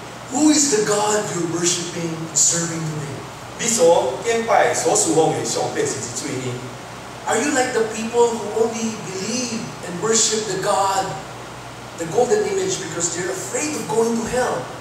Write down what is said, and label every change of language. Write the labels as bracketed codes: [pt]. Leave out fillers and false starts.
[en] Who is the God you're worshiping and serving today? [nan] 你所敬拜、所侍奉的上帝是谁呢？ [en] Are you like the people who only believe and worship the God, the golden image, because they're afraid of going to hell?